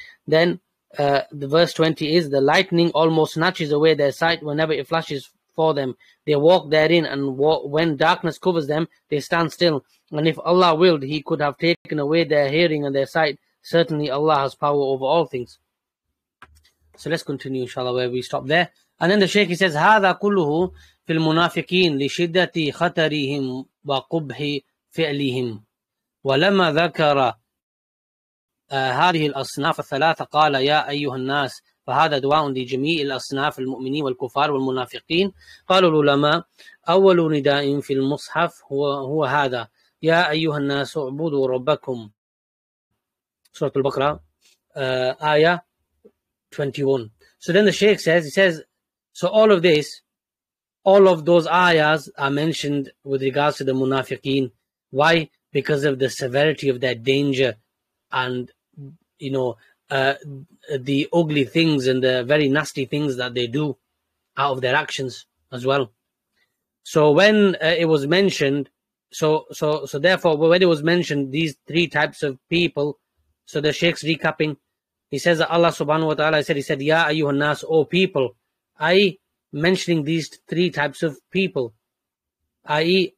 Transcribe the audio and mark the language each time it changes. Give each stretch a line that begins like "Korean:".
English: Then the verse 20 is, the lightning almost snatches away their sight whenever it flashes for them. They walk therein, and when darkness covers them, they stand still. And if Allah willed, he could have taken away their hearing and their sight. Certainly Allah has power over all things. So let's continue, inshallah, where we stop there. And then the Shaykh, he says,
Arabic: هَذَا كُلُّهُ فِي الْمُنَافِقِينَ لِشِدَّةِ خَتَرِهِمْ وَقُبْحِ فِعْلِهِمْ وَلَمَا ذَكَرَ هَذِهِ الْأَصْنَافَ الثَّلَاثَ قَالَ يَا أَيُّهَا النَّاسِ فَهَذَا دُعَاءٌ لِجَمِيعِ الْأَصْنَافِ الْمُؤْمِنِينَ وَالْكُفَارِ وَالْمُنَافِقِينَ قَالُوا الْعُلَمَاء أَوَّلُ نِدَاءٍ فِي الْمُصْحَفِ هُوَ هَذَا يَا أَيُّهَا النَّاسُ اعْبُدُوا رَبَّكُمْ سورة البقرة آية 21
English: So then the Shaykh says, he says, so all of this, all of those ayahs are mentioned with regards to the munafiqeen. Why? Because of the severity of their danger and, you know, the ugly things and the very nasty things that they do out of their actions as well. So when it was mentioned, so therefore, when it was mentioned, these three types of people, so the Shaykh's recapping, he says that Allah subhanahu wa ta'ala said, Ya ayyuhan nas, O people, I mentioning these three types of people. i.e.